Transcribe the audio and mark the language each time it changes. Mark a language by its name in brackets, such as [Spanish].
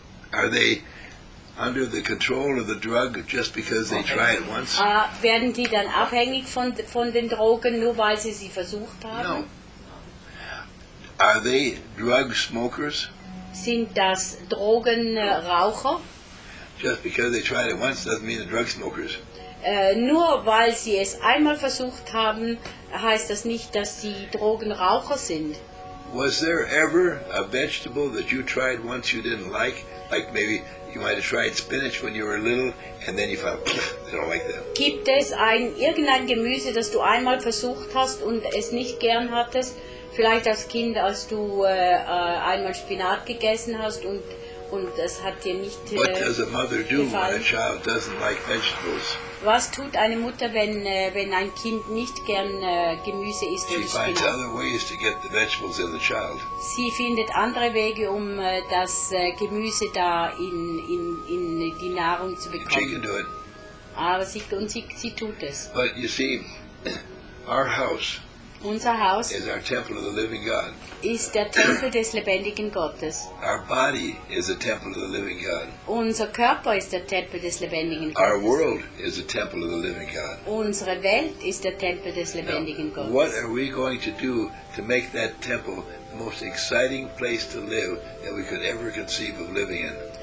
[English] Are they under the control of the drug just because they try it once? [German] Werden die dann abhängig von den Drogen, nur weil sie sie versucht haben? [English] No. Are they drug smokers? [German] Sind das Drogenraucher? [English] Just because they tried it once doesn't mean they're drug smokers. [German] Nur weil sie es einmal versucht haben, heißt das nicht, dass sie Drogenraucher sind. [English] Was there ever a vegetable that you tried once you didn't like? Like maybe you might have tried spinach when you were little, and then you found, they don't like that. [German] Gibt es irgendein Gemüse, das du einmal versucht hast und es nicht gern hattest? Vielleicht als Kind, als du einmal Spinat gegessen hast und es hat dir nicht gefallen. [English] What does a mother do when a child doesn't like vegetables? [German] Was tut eine Mutter, wenn ein Kind nicht gern Gemüse isst und Spinat? [English] She finds other ways to get the vegetables in the child. [German] Sie findet andere Wege, um das Gemüse da in die Nahrung zu bekommen. [English] She can do it. [German] Aber sie tut es. [English] But you see, our house. [German] Unser Haus [English] is our temple of the living God. [German] Ist der Tempel des lebendigen Gottes. [English] Our body is a temple of the living God. [German] Unser Körper ist der Tempel des lebendigen Gottes. [English] Our world is a temple of the living God. [German] Unsere Welt ist der Tempel des lebendigen Gottes. [English] What are we going to do to make that temple the most exciting place to live that we could ever conceive of living in?